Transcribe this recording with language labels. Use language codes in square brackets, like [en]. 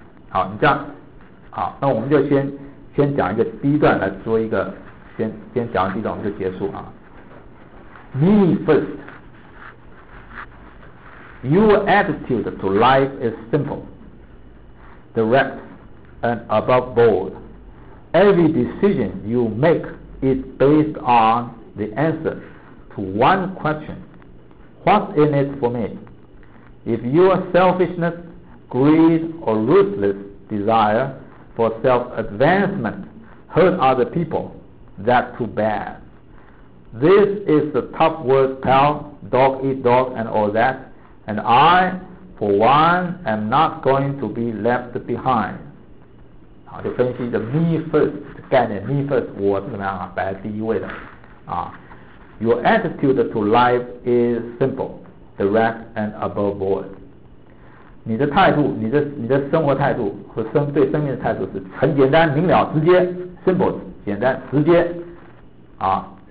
[zh] 好，你这样好，那我们就先讲一个第一段来说一个，先讲第一段我们就结束啊。 [en] Me first. Your attitude to life is simple, direct, and above board. Every decision you make is based on the answer to one question: what's in it for me? If your selfishness, greed, or ruthless desire for self-advancement hurt other people, that's too bad. This is the tough word, pal, dog eat dog and all that, and I, for one, am not going to be left behind. [zh] 好，就分析的 me first 的概念， me first 我是怎么样啊，摆在第一位的啊。 [en] Your attitude to life is simple, direct and above board. [zh] 你的态度，你的生活态度和对生命的态度是很简单明了直接， simple 简单直接啊。